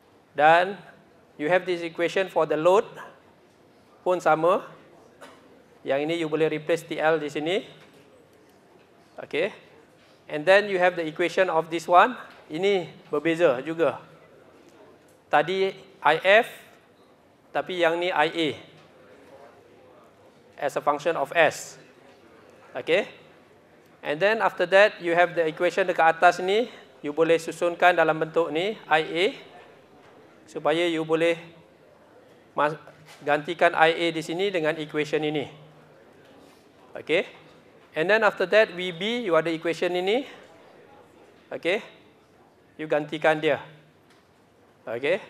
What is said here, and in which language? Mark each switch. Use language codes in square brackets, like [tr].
[ms] Dan [en] you have this equation for the load [ms] pun sama. Yang ini [en] you [ms] boleh [en] replace [ms] TL di sini. [en] Okay. And then you have the equation of this one. [ms] Ini berbeza juga. Tadi IF, tapi yang ni IA. [en] As a function of S. Okay? And then after that, you have the equation [ms] dekat atas ni. [en] You [ms] boleh susunkan dalam bentuk ni, IA. Supaya you boleh gantikan IA di sini dengan equation ini. [en] Okay? And then after that, VB, you [ms] ada [en] equation [ms] ini. [en] Okay? You [ms] gantikan dia. [en] Okay?